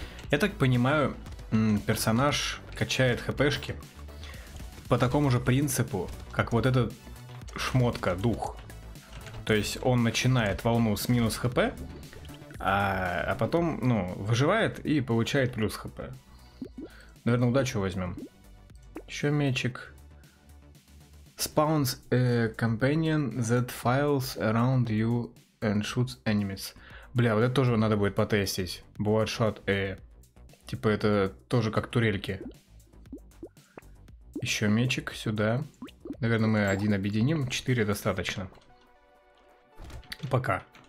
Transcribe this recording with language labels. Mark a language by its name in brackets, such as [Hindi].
[Russian] Я так понимаю, персонаж качает хпшки по такому же принципу, как вот этот шмотка, дух. То есть он начинает волну с минус хп, а потом, ну, выживает и получает плюс хп. Наверное, удачу возьмем. Еще мечик. [English] Spawns a companion that files around you and shoots enemies. [Russian] Бля, вот это тоже надо будет потестить. [English] Bloodshot a... [Russian] Типа это тоже как турельки. Еще мечик сюда. Наверное, мы один объединим. 4 достаточно. Пока.